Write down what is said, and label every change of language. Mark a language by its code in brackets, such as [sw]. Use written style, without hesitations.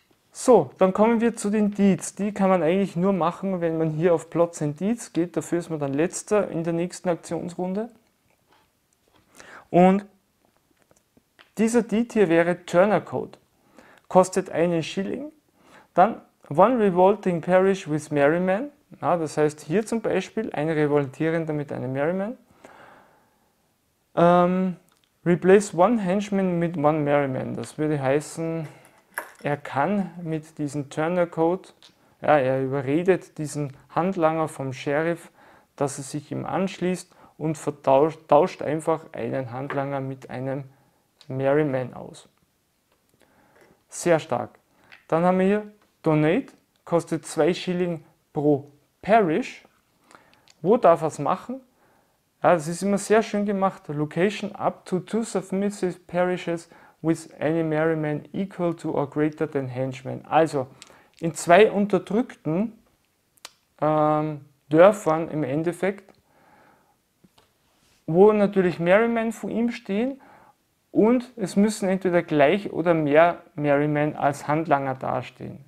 [de] So, dann kommen wir zu den Deeds. Die kann man eigentlich nur machen, wenn man hier auf Plots and Deeds geht. Dafür ist man dann letzter in der nächsten Aktionsrunde. Und dieser Deed hier wäre Turner Code. Kostet einen Schilling. Dann [en] One Revolting Parish with Merryman. [de] Ja, das heißt hier zum Beispiel ein Revoltierender mit einem Merryman. [en] Replace one Henchman [de] mit [en] one Merryman. [de] Das würde heißen, er kann mit diesem Turner Code, ja, er überredet diesen Handlanger vom Sheriff, dass er sich ihm anschließt und tauscht einfach einen Handlanger mit einem Merryman aus. Sehr stark. Dann haben wir hier Donate, kostet 2 Schilling pro Parish. Wo darf er es machen? Ja, das ist immer sehr schön gemacht. [en] Location up to two submissive parishes with any merryman equal to or greater than henchman. [de] Also in 2 unterdrückten Dörfern im Endeffekt, wo natürlich Merrymen vor ihm stehen. Und es müssen entweder gleich oder mehr Merryman als Handlanger dastehen.